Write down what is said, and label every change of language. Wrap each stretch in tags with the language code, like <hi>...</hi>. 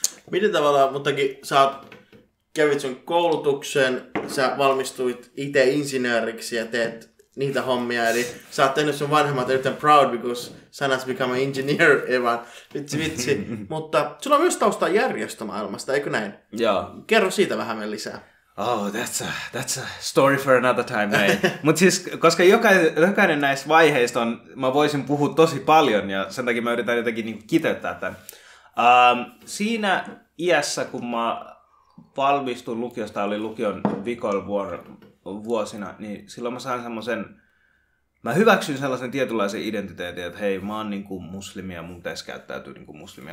<fi>Miten tavallaan, muutenkin sä kävit sun koulutuksen, sä valmistuit itse insinööriksi ja teet niitä hommia. Eli sä oot tehnyt sun vanhemmat erittäin</fi> <en>proud because son has become an engineer,</en> <fi>Evan. Vitsi. Mutta sulla on myös tausta järjestömaailmasta, eikö näin? Joo. Kerro siitä vähän meille lisää.</fi> <en>Oh, that's a story for another time, mate.</en> <fi>Mut siis, koska jokainen näistä vaiheista on, mä voisin puhua tosi paljon, ja sen takia mä yritän jotenkin niinku kiteyttää tämän. Siinä iässä, kun mä valmistuin lukiosta, oli lukion vikoilla vuosina, niin silloin mä sain semmoisen, mä hyväksyn sellaisen tietynlaisen identiteetin, että hei, mä oon niin kuin muslimi ja mun pitäisi käyttäytyä niin kuin muslimi.</fi>